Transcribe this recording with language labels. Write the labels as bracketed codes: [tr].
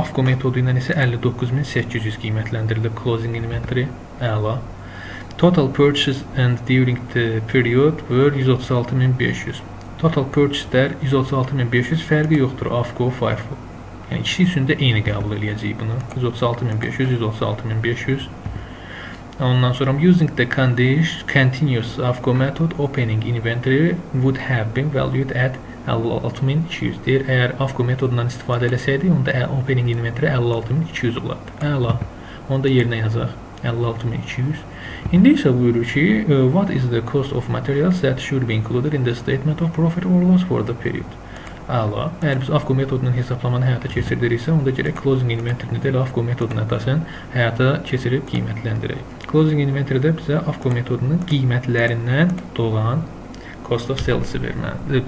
[az] AFCO metodu ilə isə 59800 qiymətləndirilib closing inventory. Əla. [en] Total purchases and during the period were 136500. [az] Total purchases-lər 136500 fərqi yoxdur AFCO FIFO. Yəni ikisi üçün də eyni qəbul eləyəcəyik bunu. 136500 136500. Ondan sonra [en] using the continuous AFCO method opening inventory would have been valued at 56200. [az] Əgər AFCO metodundan istifadə eləsəydi, onda opening inventory 56200 olardı. Əla. Onu da yerinə yazaq. 56200. İndi isə buyurur ki, [en] what is the cost of materials that should be included in the statement of profit or loss for the period? [az] Əla. Əgər biz AFCO metodunun hesablamanı həyata keçirdiriksə, onda gerək closing inventory-ni də AFCO metoduna əsasən həyata keçirib qiymətləndirək. Closing inventory-də bizə AFCO metodunun qiymətlərindən doğan cost of sales verməlidir.